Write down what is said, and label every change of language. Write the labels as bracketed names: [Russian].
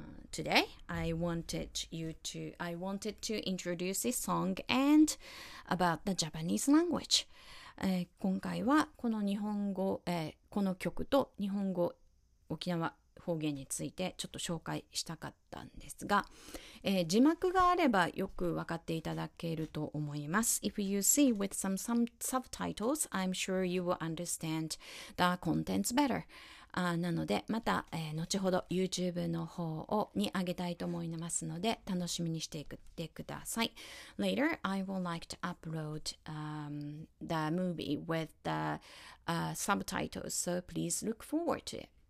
[English] Today, I wanted to introduce this song and about the Japanese language. [Japanese] 今回はこの日本語、この曲と日本語、沖縄方言についてちょっと紹介したかったんですが、字幕があればよく分かっていただけると思います。 [English] If you see with some subtitles, I'm sure you will understand the contents better. [Japanese] なのでまた、後ほど YouTube の方をにあげたいと思いますので楽しみにしていてください。 [English] Later, I would like to upload、the movie with the、subtitles, so please look forward to it.